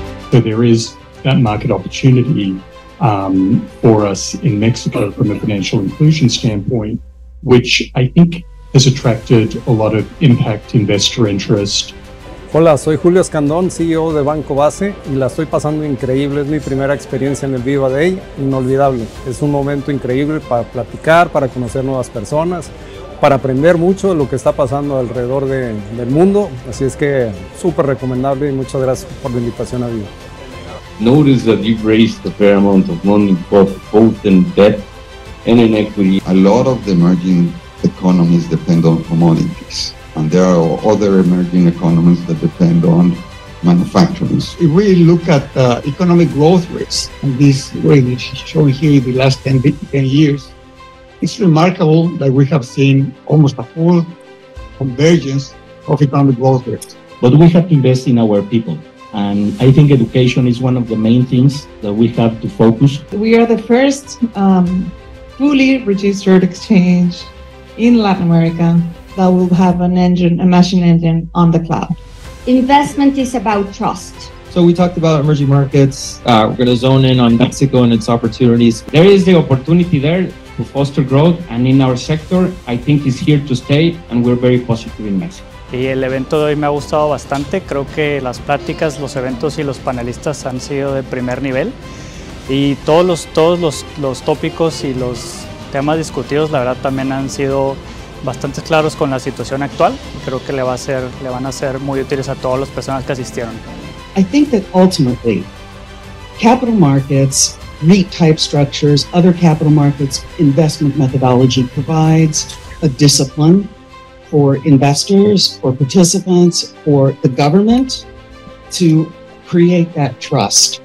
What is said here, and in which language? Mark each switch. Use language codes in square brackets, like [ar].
[en] So there is that market opportunity for us in Mexico from a financial inclusion standpoint, which I think has attracted a lot of impact investor interest. [es] Hola, soy Julio Escandón, CEO de Banco Base, y la estoy pasando increíble. Es mi primera experiencia en el Viva Day, inolvidable. Es un momento increíble para platicar, para conocer nuevas personas, para aprender mucho de lo que está pasando alrededor del mundo. Así es que súper recomendable y muchas gracias por la invitación a Viva. [en] Notice that you've raised a fair amount of money, both in debt and in equity. A lot of the emerging economies depend on commodities. And there are other emerging economies that depend on manufacturing. If we look at economic growth rates, and this way which is shown here the last 10 years, it's remarkable that we have seen almost a full convergence of economic growth rates. But we have to invest in our people. And I think education is one of the main things that we have to focus. We are the first fully registered exchange in Latin America that will have a machine engine on the cloud. Investment is about trust. So we talked about emerging markets. We're gonna zone in on Mexico and its opportunities. There is the opportunity there to foster growth, and in our sector, I think it's here to stay, and we're very positive in Mexico. [es] Y el evento de hoy me ha gustado bastante. Creo que las pláticas, los eventos y los panelistas han sido de primer nivel. Y todos los tópicos y los temas discutidos, la verdad, también han sido bastante claros con la situación actual. Creo que le van a ser muy útiles a todas las personas que asistieron. [en] I think that ultimately, capital markets, REIT type structures, other capital markets, investment methodology provides a discipline for investors or participants or the government to create that trust.